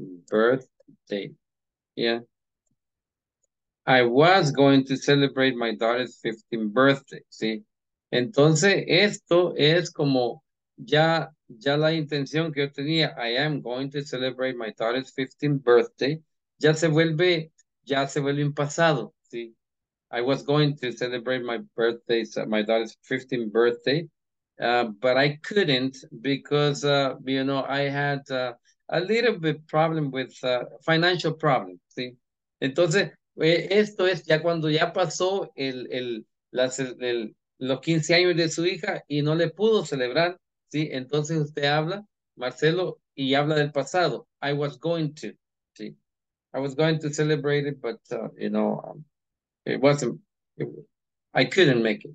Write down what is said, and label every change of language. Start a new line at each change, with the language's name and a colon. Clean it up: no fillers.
English: Birthday. Yeah. I was going to celebrate my daughter's 15th birthday.
Spanish: Sí. Entonces, esto es como ya la intención que yo tenía,
English: I am going to celebrate my daughter's 15th birthday,
Spanish: ya se vuelve un pasado, ¿sí?
English: I was going to celebrate my daughter's 15th birthday, but I couldn't because, you know, I had a little bit problem with financial problem, ¿sí?
Spanish: Entonces, esto es ya cuando ya pasó los 15 años de su hija y no le pudo celebrar. Sí, entonces usted habla, Marcelo, y habla del pasado.
English: I was going to,
Spanish: sí.
English: I was going to celebrate it, but, you know, I couldn't make it.